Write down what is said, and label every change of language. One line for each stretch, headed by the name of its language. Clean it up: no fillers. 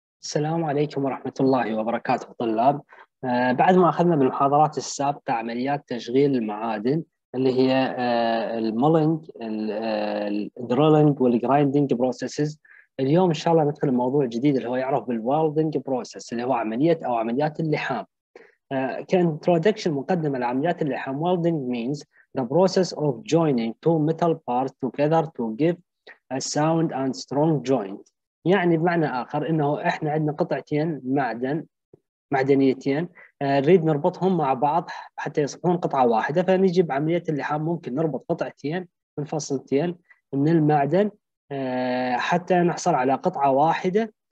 Arabic: السلام عليكم ورحمة الله وبركاته طلاب. بعد ما أخذنا بالمحاضرات السابقة عمليات تشغيل المعادن اللي هي المولينج الدرولينج والجرايندينج بروسيسز، اليوم إن شاء الله ندخل موضوع جديد اللي هو يعرف بالويلدينج بروسيس اللي هو عملية أو عمليات اللحام. كانترودكشن مقدمة لعمليات اللحام، ويلدينج مينز
English: the process of joining two metal parts together to give a sound and strong joint.
Arabic: يعني بمعنى آخر إنه إحنا عندنا قطعتين معدنيتين نريد نربطهم مع بعض حتى يصبحون قطعة واحدة، فنجي بعملية اللحام ممكن نربط قطعتين من فصلتين من المعدن حتى نحصل على قطعة واحدة.